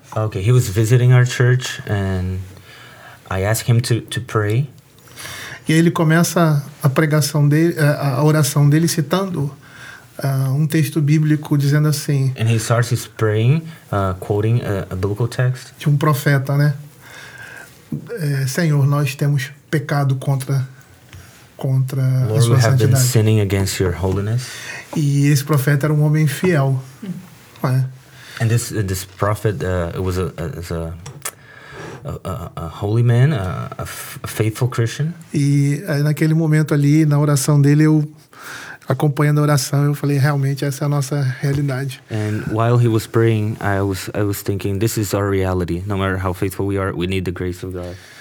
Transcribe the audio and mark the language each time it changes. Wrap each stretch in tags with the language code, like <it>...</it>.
<en>Okay, he was visiting our church and I asked him to pray.</en> <pt>E aí ele começa a pregação dele, a oração dele, citando um texto bíblico, dizendo assim.</pt> <en>And he starts his praying, quoting a biblical text.</en> <pt>De um profeta, né? Senhor, nós temos pecado contra Lord, a sua santidade.</pt> <en>Lord, we have been sinning against your holiness.</en> <pt>E esse profeta era um homem fiel. Né?</pt> <en>And this prophet was a holy man, a faithful Christian.</en> <pt>E naquele momento ali, na oração dele, eu acompanhando a oração, eu falei, realmente, essa é a nossa realidade.</pt> <en>And while he was praying, I was thinking, this is our reality. No matter how faithful we are, we need the grace of God.</en>